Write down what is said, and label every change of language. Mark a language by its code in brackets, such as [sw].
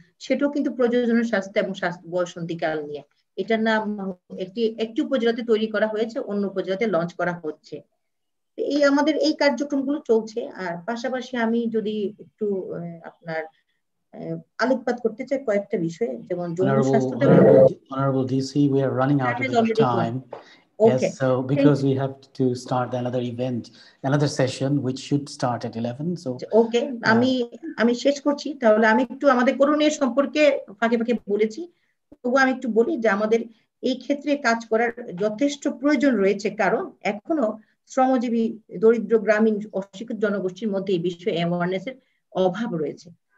[bn] সেটাও কিন্তু প্রয়োজনের স্বাস্থ্য এবং বয়ঃসন্ধিকাল নিয়ে, এটার নাম একটি উপজেলাতে তৈরি করা হয়েছে, অন্য উপজেলাতে লঞ্চ করা হচ্ছে। এই আমাদের এই কার্যক্রমগুলো চলছে। আর পাশাপাশি আমি যদি একটু আপনার আলোকপাত করতে চাই কয়েকটা বিষয়ে, যেমন যৌন স্বাস্থ্যটা [en] Honourable DC, we are running out of time. Yes, okay. So because we have to start another event, another session, which should start at 11. So, okay, I'm [bn] শেষ করছি তাহলে। আমি একটু আমাদের করোনার সম্পর্কে ফাঁকে ফাঁকে বলেছি, তবু আমি একটু বলি যে আমাদের এই ক্ষেত্রে কাজ করার যথেষ্ট প্রয়োজন রয়েছে, কারণ এখনো শ্রমজীবী দরিদ্র গ্রামীণ অশিক্ষিত জনগোষ্ঠীর মধ্যে এই বিষয়ে অ্যাওয়ারনেস এর অভাব রয়েছে।